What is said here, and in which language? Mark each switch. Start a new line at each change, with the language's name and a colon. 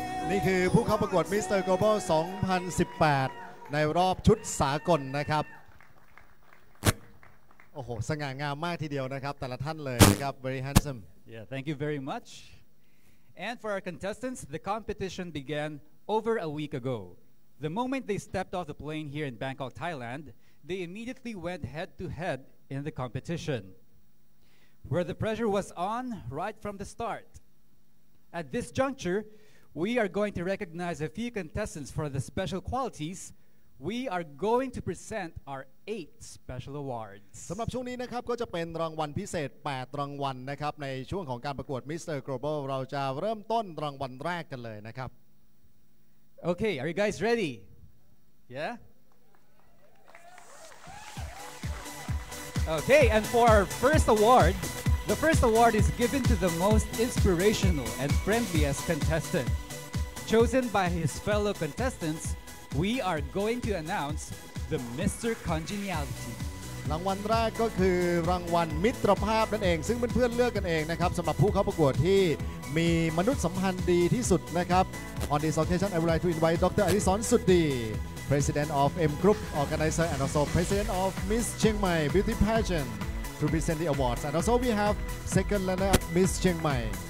Thai: นี่คือผู้เข้าประกวดมิสเตอร์โกลบอล2018ในรอบชุดสากลนะครับโอ้โหสง่างามมากทีเดียวนะครับแต่ละท่านเลยนะครับ
English: very handsome yeah thank you very much and for our contestants the competition began over a week ago the moment they stepped off the plane here in Bangkok Thailand they immediately went head to head in the competition, where the pressure was on right from the start. At this juncture, we are going to recognize a few contestants for the special qualities. We are going to present our 8 special awards.
Thai: สำหรับช่วงนี้นะครับก็จะเป็นรางวัลพิเศษ8รางวัลนะครับในช่วงของการประกวด Mr. Global เราจะเริ่มต้นรางวัลแรกกันเลยนะครับ
English: Okay, are you guys ready? Yeah? Okay, and for our first award, the first award is given to the most inspirational and friendliest contestant. Chosen by his fellow contestants, we are going to announce the Mr. Congeniality.
Thai: รางวัลแรกก็คือรางวัลมิตรภาพนั่นเองซึ่งเพื่อนๆเลือกกันเองนะครับสำหรับผู้เข้าประกวดที่มีมนุษยสัมพันธ์ดีที่สุดนะครับ
English: On this occasion, I would like to invite Dr. Arisorn Suddi, President of M Group, Organizer and also President of Miss Chiang Mai Beauty Pageant to present the awards. And also we have second runner-up Miss Chiang Mai.